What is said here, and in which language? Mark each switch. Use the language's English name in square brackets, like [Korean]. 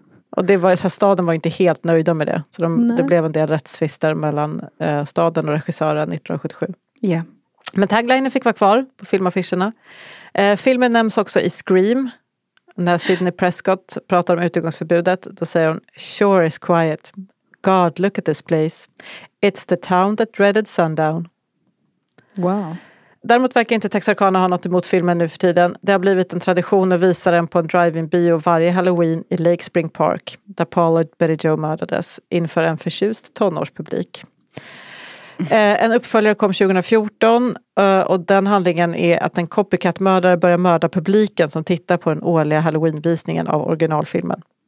[Swedish] Och det var så här, staden var inte helt nöjd med det, så det blev en del rättsfister mellan staden och regissören 1977. Ja. Yeah. Men taglinen fick vara kvar på filmaffischerna. Filmen nämns också i Scream. Och när Sidney Prescott pratar om utegångsförbudet, då säger hon, sure is quiet. [English] God, look at this place. It's the town that dreaded sundown. Wow. [Swedish] Däremot verkar inte Texarkana ha något emot filmen nu för tiden. Det har blivit en tradition att visa den på en drive-in-bio varje Halloween i Lake Spring Park, där Paul och Betty Jo mördades inför en förtjust tonårspublik. En uppföljare kom 2014, och den handlingen är att en copycat-mördare börjar mörda publiken som tittar på den årliga Halloween-visningen av originalfilmen.